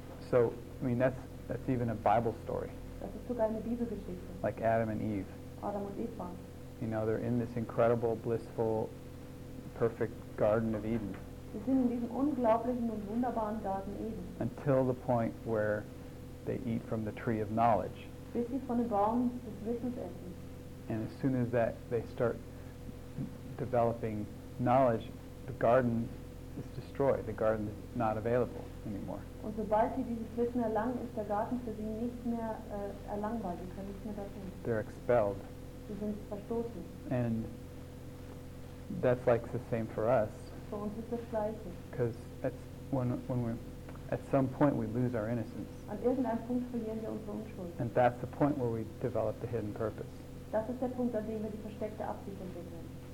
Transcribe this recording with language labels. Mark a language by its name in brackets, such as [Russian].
[English] So, I mean, that's even a Bible story. [German] Das ist sogar eine Bibelgeschichte. [English] Like Adam and Eve. [German] Adam und Eva. [English] You know, they're in this incredible, blissful, perfect Garden of Eden. [German] Sie sind in diesem unglaublichen und wunderbaren Garten Eden. [English] Until the point where they eat from the tree of knowledge. [German] Bis sie von dem Baum des Wissens essen. [English] And as soon as that they start developing knowledge, the garden is destroyed. The garden is not available anymore. [German] Und sobald sie dieses Wissen erlangen, ist der Garten für sie nicht mehr erlangbar. Sie können nicht mehr dorthin. [English] They're expelled. [German] Sie sind verstoßen. [English] And that's like the same for us. [German] Für uns ist das Gleiche. [English] Because at some point we lose our innocence. [German] An irgendeinem Punkt verlieren wir unsere Unschuld. [English] And that's the point where we develop the hidden purpose. [German] Das ist der Punkt, an dem wir die versteckte Absicht entwickeln.